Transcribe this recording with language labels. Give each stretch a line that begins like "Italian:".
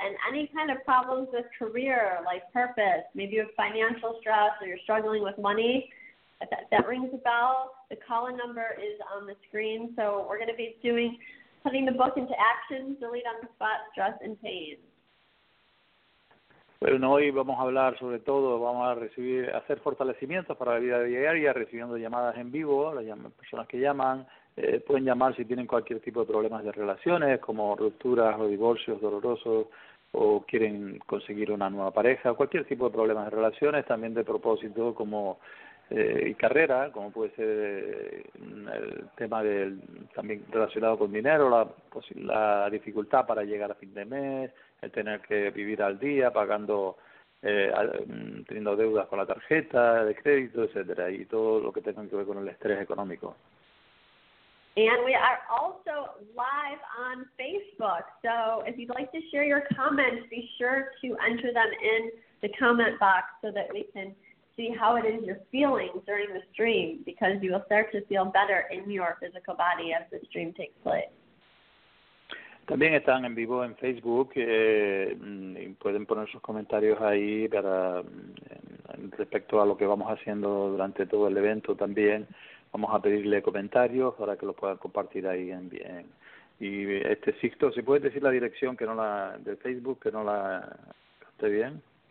English: And any kind of problems with career, like purpose, maybe you have financial stress or you're struggling with money, if that rings a bell, the call-in number is on the screen. So we're going to be doing putting the book into action, Delete on the Spot, Stress and Pain.
Spanish: Bueno, hoy vamos a hablar sobre todo, vamos a recibir, hacer fortalecimientos para la vida diaria, recibiendo llamadas en vivo, las personas que llaman, pueden llamar si tienen cualquier tipo de problemas de relaciones, como rupturas o divorcios dolorosos, o quieren conseguir una nueva pareja, cualquier tipo de problemas de relaciones, también de propósito como y carrera, como puede ser el tema del también relacionado con dinero, la dificultad para llegar a fin de mes, el tener que vivir al día pagando, teniendo deudas con la tarjeta de crédito, etcétera, y todo lo que tenga que ver con el estrés económico.
English: And we are also live on Facebook, so if you'd like to share your comments, be sure to enter them in the comment box so that we can see how it is you're feeling during the stream, because you will start to feel better in your physical body as the stream takes place.
Spanish: También están en vivo en Facebook, y pueden poner sus comentarios ahí para respecto a lo que vamos haciendo durante todo el evento. También vamos a pedirle comentarios para que los puedan compartir ahí en bien. Y este Sixto, ¿se puede decir la dirección que no la de Facebook que no la esté bien?